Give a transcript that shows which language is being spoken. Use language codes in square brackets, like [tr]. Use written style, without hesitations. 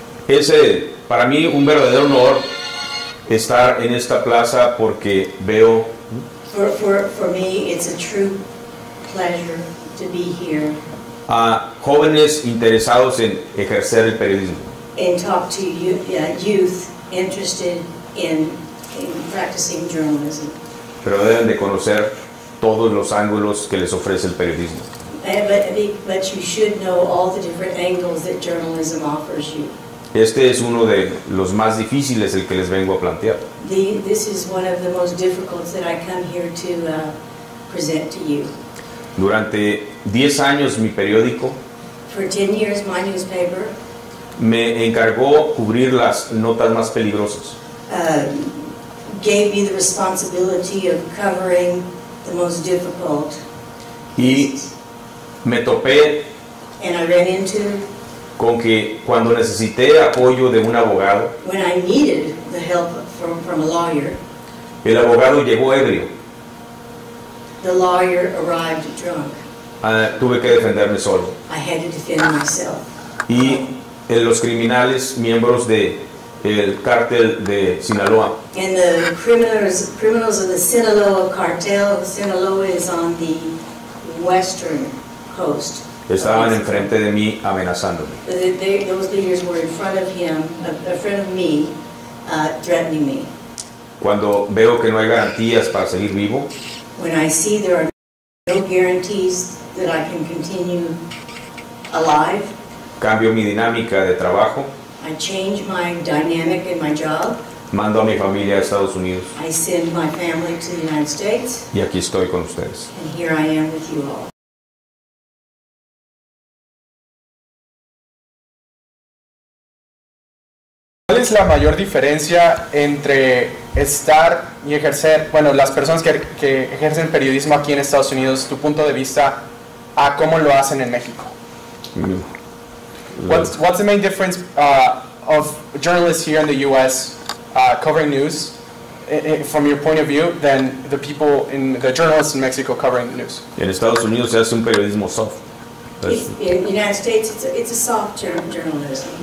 [es] Es para mí un verdadero honor estar en esta plaza porque veo. [en] For me, it's a true pleasure to be here. [es] A jóvenes interesados en ejercer el periodismo. [en] And talk to youth interested in practicing journalism. [es] Pero deben de conocer todos los ángulos que les ofrece el periodismo. [en] But you should know all the different angles that journalism offers you. [es] Este es uno de los más difíciles, el que les vengo a plantear. [en] This is one of the most difficult that I come here to present to you. [es] Durante 10 años mi periódico. [en] For 10 years my newspaper. [es] Me encargó cubrir las notas más peligrosas. [en] gave me the responsibility of covering the most difficult. [es] Y me topé. [en] And I ran into. [es] Con que cuando necesité apoyo de un abogado. [en] When I needed the help from a lawyer. [es] El abogado llegó ebrio. [en] The lawyer arrived drunk. [es] Tuve que defenderme solo. [en] I had to defend myself. [es] Y los criminales, miembros de el cártel de Sinaloa. [en] And the criminals of the Sinaloa cartel. Sinaloa is on the western coast. [es] Estaban enfrente de mí amenazándome. [en] Those leaders were in front of him, in front of me, threatening me. [es] Cuando veo que no hay garantías para seguir vivo. [en] When I see there are no guarantees that I can continue alive. [es] Cambio mi dinámica de trabajo. [en] I change my dynamic in my job. [es] Mando a mi familia a Estados Unidos. [en] I send my family to the United States. [es] Y aquí estoy con ustedes. [en] And here I am with you all. [es] ¿Cuál es la mayor diferencia entre estar y ejercer, bueno, las personas que ejercen periodismo aquí en Estados Unidos, tu punto de vista, a cómo lo hacen en México? [en] What's the main difference of journalists here in the U.S. Covering news, from your point of view, than the people in the journalists in Mexico covering the news? [es] En Estados Unidos se hace un periodismo soft. [en] In the United States, it's a soft term, journalism.